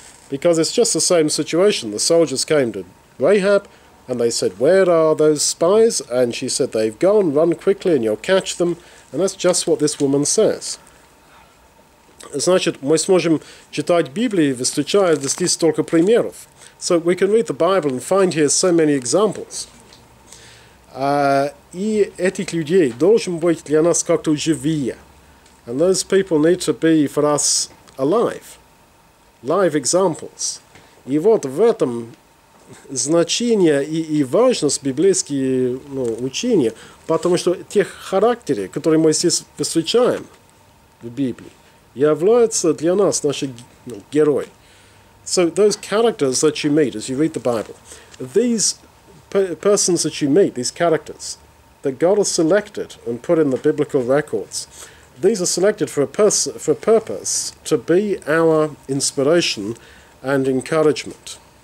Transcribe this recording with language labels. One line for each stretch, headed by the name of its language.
English: Because it's just the same situation. The soldiers came to Rahab, and they said, where are those spies? And she said, they've gone, run quickly, and you'll catch them. And that's just what this woman says.
Russian: Значит, мы сможем читать Библию, встречая здесь столько примеров.
English: So we can read the Bible and find here so many examples.
Russian: И этих людей должен быть для нас как-то живее.
English: And those people need to be for us alive. Live examples.
Russian: И вот в этом значение и важность библейские, ну, учения, потому что тех характеры, которые мы здесь встречаем в Библии, являются для нас наши, ну, герои.
English: So those characters that you meet as you read the Bible, these persons that you meet, these characters that God has selected and put in the biblical records, these are selected for a purpose to be our inspiration and encouragement.